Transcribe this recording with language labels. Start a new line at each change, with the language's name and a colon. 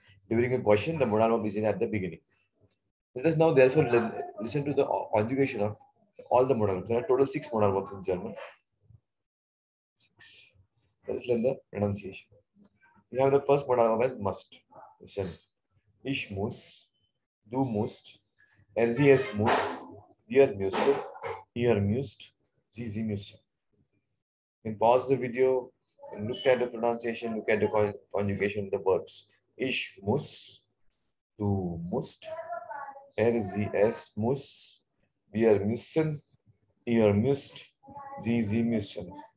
English: During a question, the modal verb is at the beginning. Let us now therefore listen to the conjugation of all the modal verbs. There are total six modal verbs in German. Six. Let us learn the pronunciation. We have the first modal verb as must. Listen.
German: Ich muss, du musst, er sie es muss, wir müssen, ihr müsst, sie müssen.
English: You can pause the video. Look at the pronunciation, look at the conjugation of the verbs.
German: Ich muss, du musst, er, sie, es, muss, wir müssen, ihr müsst, sie müssen.